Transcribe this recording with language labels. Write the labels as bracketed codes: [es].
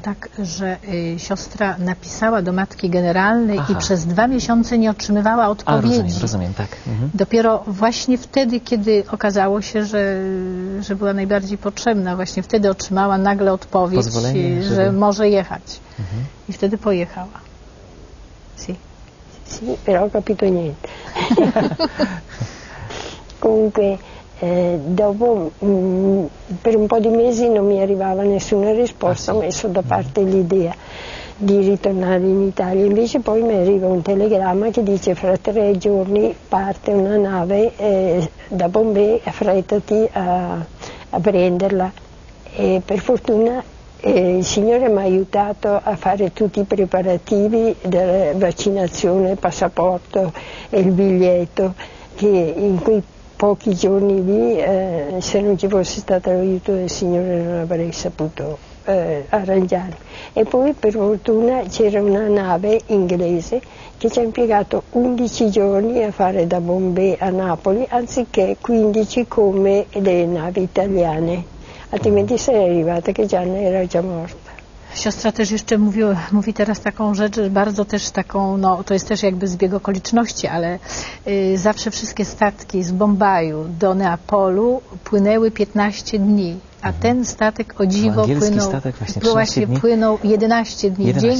[pl] Tak, że siostra napisała do matki generalnej. Aha. I przez dwa miesiące nie otrzymywała odpowiedzi. Rozumiem, tak. Mhm. Dopiero właśnie wtedy, kiedy okazało się, że była najbardziej potrzebna, właśnie wtedy otrzymała nagle odpowiedź, że może jechać. Mhm. I wtedy pojechała. [it] Sì. Sì, però ho capito niente. Comunque, dopo, per un po' di mesi non mi arrivava nessuna risposta, ho messo da parte l'idea di ritornare in Italia. Invece poi mi arriva un telegramma che dice: fra tre giorni parte una nave da Bombay, affrettati a prenderla. E per fortuna il Signore mi ha aiutato a fare tutti i preparativi della vaccinazione, passaporto e il biglietto, che in quei pochi giorni lì, se non ci fosse stato l'aiuto del Signore, non avrei saputo arrangiarmi. E poi per fortuna c'era una nave inglese che ci ha impiegato 11 giorni a fare da Bombay a Napoli, anziché 15 come le navi italiane. Altrimenti sei arrivata che Gianna era già morta. [pl] Siostra też jeszcze mówi teraz taką rzecz, bardzo też taką, no to jest też jakby zbieg okoliczności, ale zawsze wszystkie statki z Bombaju do Neapolu płynęły 15 dni, a ten statek o dziwo płynął, płynął 11 dni.